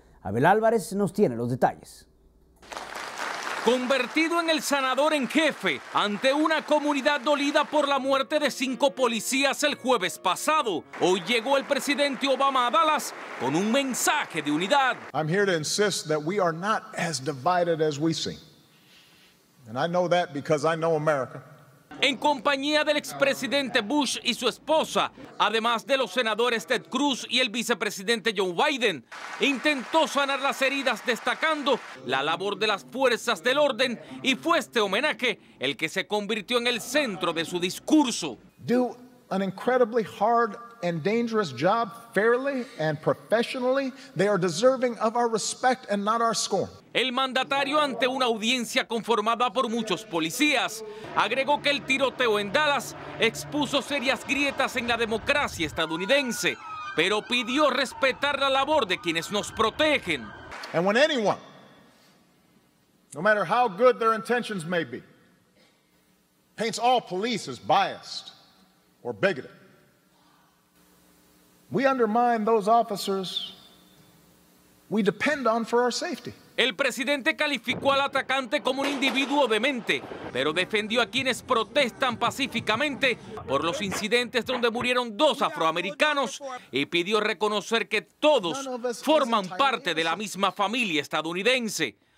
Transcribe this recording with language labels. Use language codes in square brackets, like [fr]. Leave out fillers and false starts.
[es] Abel Álvarez nos tiene los detalles. Convertido en el sanador en jefe ante una comunidad dolida por la muerte de 5 policías el jueves pasado, hoy llegó el presidente Obama a Dallas con un mensaje de unidad. [en] I'm here to insist that we are not as divided as we seem. And I know that because I know America. [es] En compañía del expresidente Bush y su esposa, además de los senadores Ted Cruz y el vicepresidente Joe Biden, intentó sanar las heridas destacando la labor de las fuerzas del orden y fue este homenaje el que se convirtió en el centro de su discurso. [en] Do an incredibly hard and dangerous job fairly and professionally. They are deserving of our respect and not our scorn. [es] El mandatario, ante una audiencia conformada por muchos policías, agregó que el tiroteo en Dallas expuso serias grietas en la democracia estadounidense, pero pidió respetar la labor de quienes nos protegen. [en] And when anyone, no matter how good their intentions may be, paints all police as biased or bigoted, we undermine those officers we depend on for our safety. [es] El presidente calificó al atacante como un individuo demente, pero defendió a quienes protestan pacíficamente por los incidentes donde murieron 2 afroamericanos y pidió reconocer que todos forman parte de la misma familia estadounidense.